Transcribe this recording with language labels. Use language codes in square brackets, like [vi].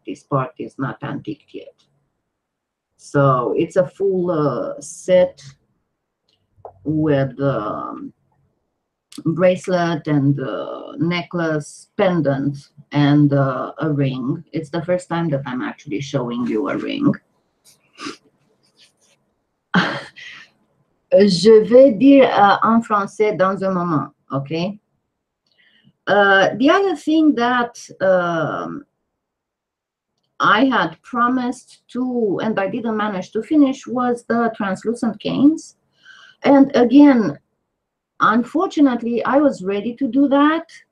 [en] This part is not antiqued yet. So it's a full set with bracelet and necklace, pendant, and a ring. It's the first time that I'm actually showing you a ring. [fr] Je vais dire en français dans un moment, okay? [en] The other thing that I had promised to, and I didn't manage to finish, was the translucent canes. And again, unfortunately, I was ready to do that.